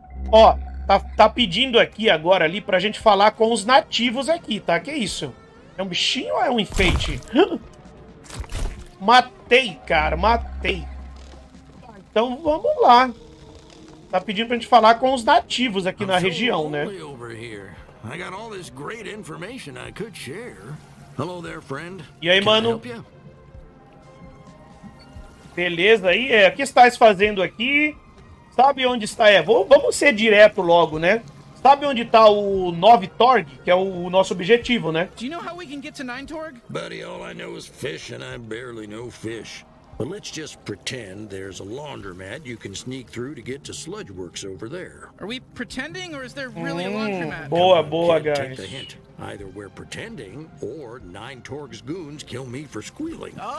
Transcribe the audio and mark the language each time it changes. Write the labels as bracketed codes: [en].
[pt] Ó, tá pedindo aqui agora ali pra gente falar com os nativos aqui, tá? Que isso? É um bichinho ou é um enfeite? Matei, cara, matei. Então vamos lá. Tá pedindo pra gente falar com os nativos aqui na região, né? [en] I got all this great information I could share. Hello there, friend. [pt] E aí, mano? Beleza aí? É, o que estás fazendo aqui? Sabe onde está? É, vamos ser direto logo, né? Sabe onde está o 9 Torg, que é o nosso objetivo, né? [en] Do you know how we can get to 9 Torg? Buddy, all I know is fish and I barely know fish. But let's just pretend there's a laundromat you can sneak through to get to sludge works over there. Are we pretending or is there really a laundromat? [pt] Boa, boa, [en] guys. Take the hint. Either we're pretending or 9 Torg's goons kill me for squealing.